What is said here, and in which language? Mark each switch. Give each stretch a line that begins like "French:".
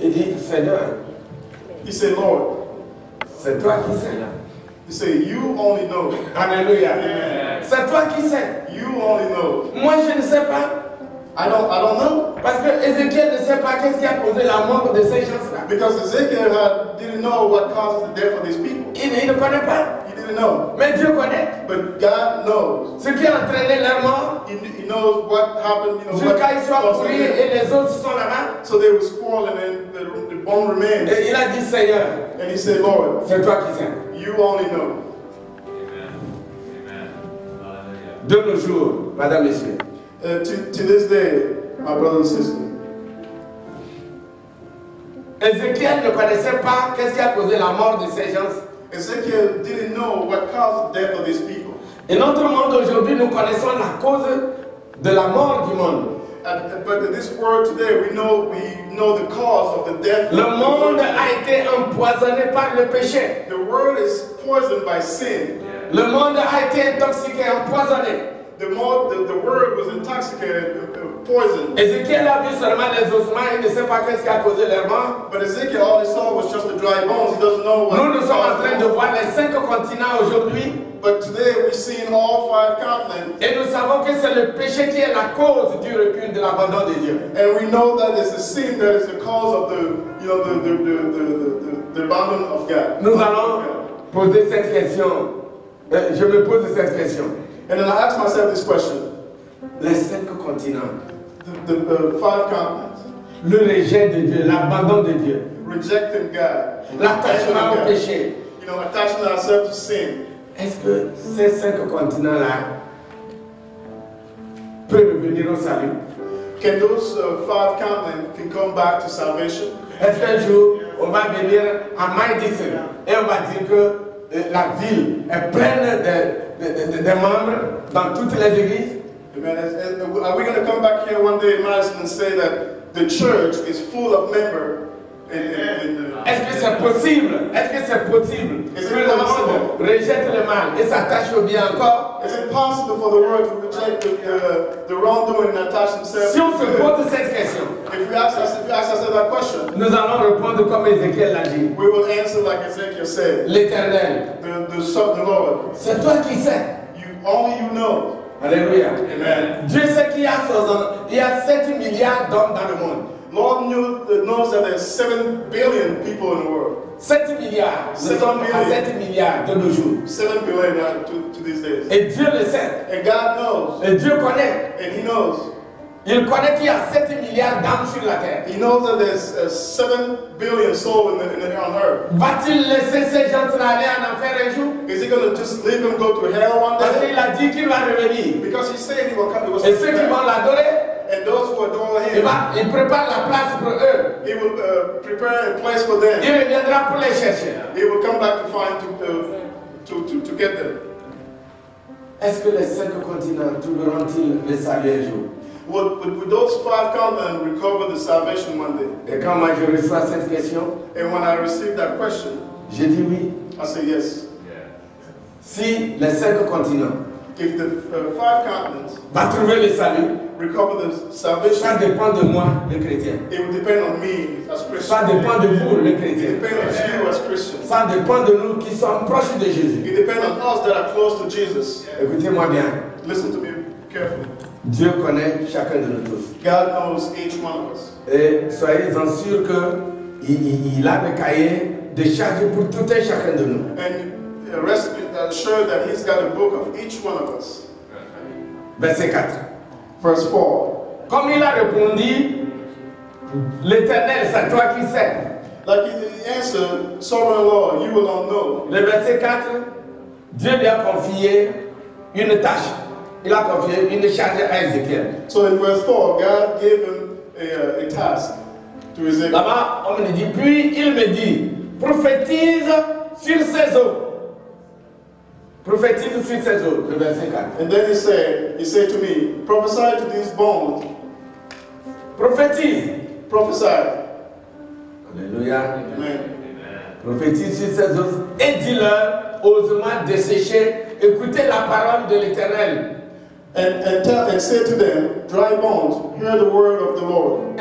French: Il dit, Seigneur.
English: He said, Lord.
French: C'est toi qui sais là.
English: He said, you only know.
French: Alléluia.
English: Yeah.
French: C'est toi qui sais.
English: You only know.
French: Moi, je ne sais pas.
English: I don't know.
French: Parce que Ézéchiel ne sait pas qu'est-ce qui a causé la mort de ces gens-là.
English: Because Ezekiel didn't know what caused the death of these people.
French: Il ne connaît pas.
English: No.
French: Mais Dieu connaît.
English: But God knows.
French: Ce qui a entraîné leur mort.
English: He knows what happened. You know,
French: jusqu'à ils soient pourris et les autres sont là-bas.
English: So they were squalling and the bone remained.
French: Et il a dit Seigneur.
English: And he said, Lord.
French: C'est toi qui sais.
English: You only know.
French: Amen. Amen. De nos jours, madame, monsieur.
English: To this day, my brother and sister.
French: Ézéchiel ne connaissait pas qu'est-ce qui a causé la mort de ces gens.
English: Ezekiel didn't know what caused the death of these people.
French: In notre monde aujourd'hui, nous connaissons la cause de la mort du monde.
English: But in this world today, we know the cause of the death.
French: Le monde a été empoisonné par le péché.
English: The world is poisoned by sin.
French: Le monde a été intoxiqué, empoisonné.
English: The world was intoxicated, Ezekiel
French: a vu seulement les ossements, il ne sait pas qu'est-ce qui a causé leur mort.
English: But Ezekiel, all he saw was just the dry bones. He doesn't know what.
French: Nous sommes en train de voir les cinq continents aujourd'hui.
English: But today we've seen all five continents.
French: Et nous savons que c'est le péché qui est la cause du recul de l'abandon de Dieu.
English: And we know that it's the sin that is the cause of the abandon of God.
French: Nous allons poser cette question. Je me pose cette question.
English: And then I ask myself this question.
French: Les cinq continents.
English: The five continents.
French: Le rejet de Dieu, l'abandon de Dieu.
English: Rejecting God.
French: L'attachement au péché.
English: You know, attaching ourselves to sin.
French: Est-ce que ces cinq continents-là peuvent revenir au salut?
English: Can those five continents can come back to salvation?
French: Est-ce qu'un jour on va venir à Madison et on va dire que la ville est pleine de membres dans toutes les églises?
English: Amen. Are we going to come back here one day in Madison and say that the church is full of members?
French: Est-ce que c'est possible? Est-ce que c'est possible?
English: Is it possible?
French: Rejette le mal et s'attache au bien encore.
English: Is it possible for the world to reject the wrongdoing and attach themselves?
French: Si on se pose cette question,
English: if you ask us that question,
French: nous allons répondre comme Ézéchiel l'a dit.
English: We will answer like Ezekiel said.
French: L'Éternel,
English: the Lord.
French: C'est toi qui sais.
English: Only you know.
French: Alléluia.
English: Amen.
French: Dieu sait qu'il y a 7 milliards d'hommes dans le monde.
English: Lord knows that there's 7 billion people in the world.
French: 7 milliards. 7
English: million.
French: 7 milliards de nos jours.
English: 7 billion to these days.
French: Et Dieu le sait.
English: And God knows.
French: Et Dieu connaît.
English: And He knows.
French: Il connaît qu'il y a 7 milliards d'âmes sur la terre.
English: He knows that there's 7 billion souls on earth.
French: Va-t-il laisser ces gens aller en enfer un jour?
English: Is he going to just leave them go to hell one day?
French: Parce qu'il a dit qu'il va revenir.
English: Because he said he will come.
French: Et ceux qui vont l'adorer.
English: And those who adore him.
French: Il prépare la place pour eux.
English: He will prepare a place for them.
French: Il reviendra pour les chercher.
English: He will come back to find to get them.
French: Est-ce que les cinq continents trouveront-ils le salut un jour?
English: Would those five come and recover the salvation one day?
French: Et quand moi je reçois cette question,
English: and when I receive that question,
French: je dis oui.
English: I say yes.
French: Si les cinq continents,
English: if the five continents,
French: va trouver le salut,
English: recover the salvation,
French: ça dépend de moi, le chrétien.
English: It will depend on me as Christian.
French: Ça dépend de vous, le chrétien.
English: It depends on you as Christian.
French: Ça dépend de nous qui sommes proches de Jésus.
English: It depends on us that are close to Jesus.
French: Écoutez-moi bien.
English: Listen to me carefully.
French: Dieu connaît chacun de nous tous.
English: God knows each one of us.
French: Et soyez-en sûrs que il a le cahier de chaque pour tout un chacun de nous.
English: And rest assured that he's got a book of each one of us.
French: Verset 4.
English: Verse 4.
French: Comme il a répondu, l'Éternel, c'est toi qui sais.
English: Like the answer, sovereign Lord, you alone know.
French: Le verset 4, Dieu lui a confié une tâche. Il a confié une charge à Ézéchiel.
English: So in verse 4, God gave him a task to Ézéchiel.
French: Là-bas, on me dit, puis il me dit, prophétise sur ces eaux. Prophétise sur ces eaux, le verset 4.
English: And then he said to me, prophesy to these bones.
French: Prophétise.
English: Prophesy.
French: Alléluia.
English: Amen.
French: Prophétise sur ces eaux et dis-leur, ossements desséchés, écoutez la parole de l'Éternel.
English: And say to them, dry bones, hear the word of the Lord.